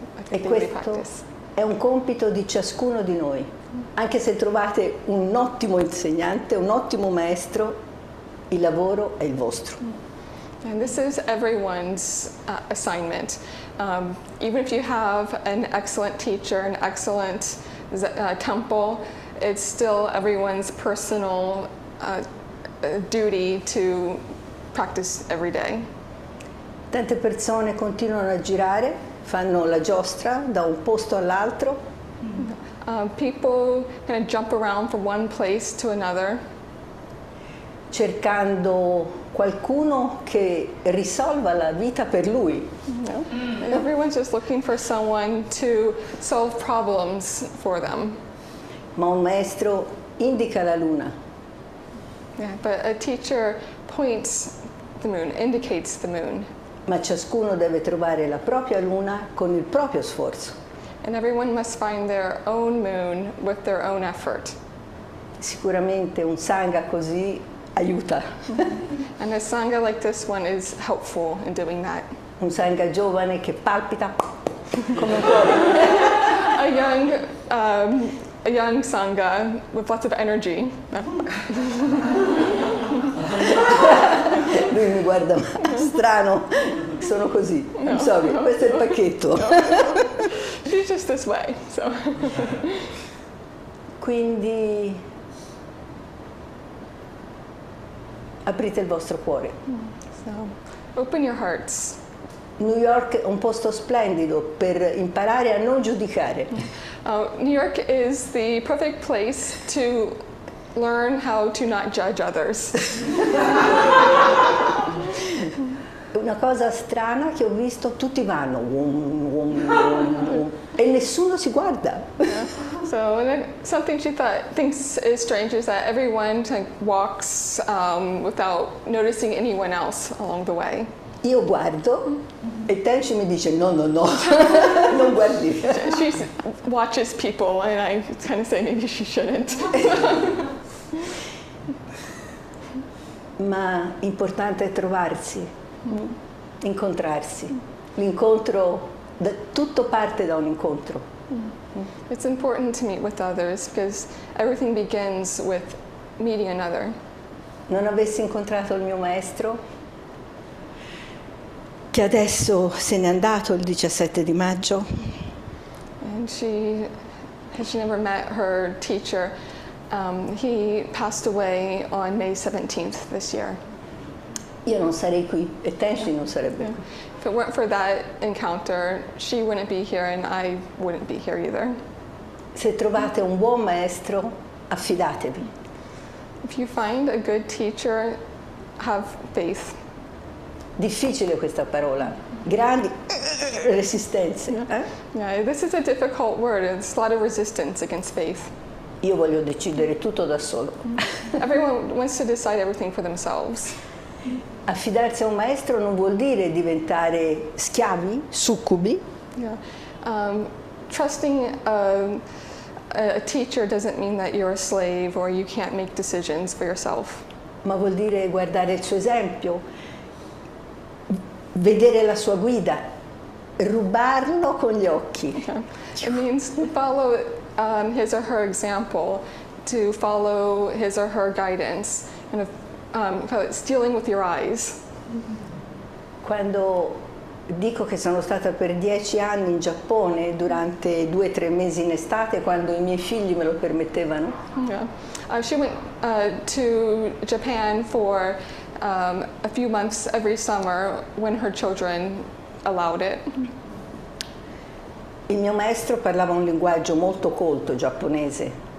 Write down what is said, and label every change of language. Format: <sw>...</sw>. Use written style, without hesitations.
<it>E questo è un compito di ciascuno di noi. Anche se trovate un ottimo insegnante, un ottimo maestro, il lavoro è il vostro.</it> <en>And this is everyone's assignment. Even if you have an excellent teacher, an excellent temple, it's still everyone's personal duty to practice every day.</en> <it>Tante persone continuano a girare, fanno la giostra da un posto all'altro.</it> <en>People kind of jump around from one place to another.</en> <it>Cercando qualcuno che risolva la vita per lui.</it> <en>No. Everyone's just looking for someone to solve problems for them.</en> <it>Ma un maestro indica la luna.</it> <en>Yeah, but a teacher points the moon, indicates the moon.</en> <it>Ma ciascuno deve trovare la propria luna con il proprio sforzo.</it> <en>And everyone must find their own moon with their own effort.</en> <it>Sicuramente un sangha così aiuta.</it> <en>And a sangha like this one is helpful in doing that.</en> <it>Un sangha giovane che palpita come un cuore.</it> <en>A young sangha with lots of energy.</en> <it>Lui mi guarda, ma strano, sono così.</it> <en>No, I'm sorry, no,</en> <it>questo no, è il pacchetto.</it> <en>No. She's just this way, so.</en> <it>Quindi aprite il vostro cuore.</it> <en>So, open your hearts.</en> <it>New York è un posto splendido per imparare a non giudicare.</it> <en>New York is the perfect place to learn how to not judge others.</en> <it>Una cosa strana che ho visto, tutti vanno e nessuno si guarda.</it> <en>So something she thinks is strange is that everyone walks without noticing anyone else along the way.</en> <it>Io guardo e Tenshi mi dice no, non guardi.</it> <en>She watches people and I kind of say maybe she shouldn't.</en> <it>Ma importante è trovarsi, incontrarsi. L'incontro, tutto parte da un incontro.</it> <en>It's important to meet with others because everything begins with meeting another.</en> <it>Non avessi incontrato il mio maestro, che adesso se n'è andato il 17 di maggio.</it> <en>And she has never met her teacher. He passed away on May 17th this year.</en> <it>Io non sarei qui e Tenshi non sarebbe qui.</it> <en>If it weren't for that encounter, she wouldn't be here and I wouldn't be here either.</en> <it>Se trovate un buon maestro, affidatevi.</it> <en>If you find a good teacher, have faith.</en> <it>Difficile questa parola. Grandi resistenze.</it> <en>Yeah. Yeah, this is a difficult word. It's a lot of resistance against faith.</en> <it>Io voglio decidere tutto da solo.</it> <en>Everyone wants to decide everything for themselves.</en> <it>Affidarsi a un maestro non vuol dire diventare schiavi, succubi.</it> <en>Yeah. Trusting a teacher doesn't mean that you're a slave or you can't make decisions for yourself.</en> <it>Ma vuol dire guardare il suo esempio, vedere la sua guida, rubarlo con gli occhi.</it> <en>Yeah. It means follow his or her example, to follow his or her guidance. And stealing with your eyes.</en> <it>Quando dico che sono stata per 10 anni in Giappone durante 2-3 mesi in estate, quando I miei figli me lo permettevano.</it> <en>Yeah. She went to Japan for a few months every summer when her children allowed it.</en> <it>Il mio maestro parlava un linguaggio molto colto giapponese.</it>